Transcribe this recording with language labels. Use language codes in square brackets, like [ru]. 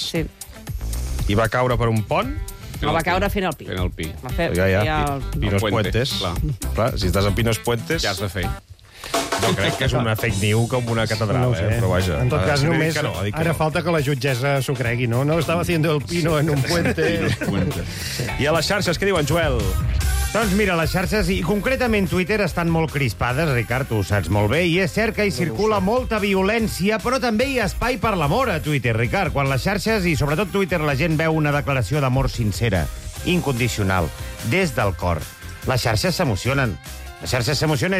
[ca] Sí. I va caure per un pont? No, va caure fent el pi. Fent el pi. Va fer, ja, ja. Pinos Puente. Puentes. Clar, si estàs a Pinos Puentes... Ja has de fer. No crec que és una fake news com una catedral, no, però vaja. En tot cas, només no, ara falta que la jutgessa s'ho cregui, no? [es] No estava haciendo el pino en un puente. [ca] I a les xarxes, què diuen, Joel? Doncs mira, les xarxes, i concretament Twitter, estan molt crispades, Ricard, tu ho saps molt bé, i és cert que hi circula molta violència, però també hi ha espai per l'amor a Twitter, Ricard. Quan les xarxes, i sobretot Twitter, la gent veu una declaració d'amor sincera, incondicional, des del cor, les xarxes s'emocionen. Les xarxes s'emocionen.